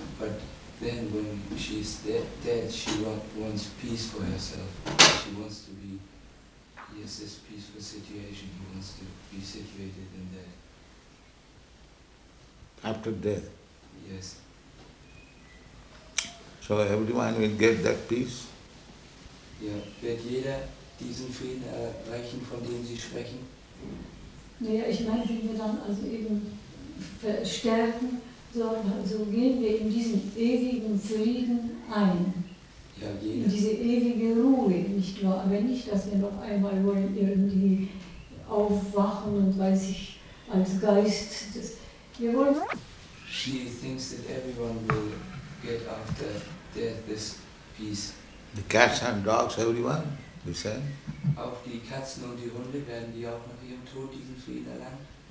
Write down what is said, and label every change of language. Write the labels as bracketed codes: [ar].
[en] But then when she's dead, she wants peace for herself. She wants to be, yes, this peaceful situation. She wants to be situated in that. After death? Yes. So everyone will get that peace? [de] Ja, wird jeder diesen Frieden erreichen, von dem Sie sprechen? Naja, ich meine, wenn wir dann also eben verstärken, so gehen wir in diesen ewigen Frieden ein. Ja, jeder. In diese ewige Ruhe, nicht nur, aber nicht, dass wir noch einmal wollen irgendwie aufwachen und weiß ich, als Geist. Das, wir wollen. [en] She thinks that everyone will get after death this peace. The cats and dogs, everyone, you said? [de] Auch die Katzen und die Hunde, werden die auch nach ihrem Tod diesen Frieden erlangen?